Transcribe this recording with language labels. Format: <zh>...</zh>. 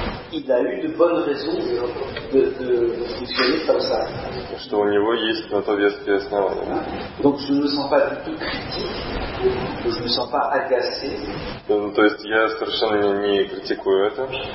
<fr>Il a eu de bonnes raisons de fonctionner comme ça.</fr> <ru>Что у него есть на то веские основания.</ru> <fr>Donc je ne me sens pas du tout critique. Je ne me sens pas agacé.</fr> <ru>То есть я совершенно не критикую это.</ru>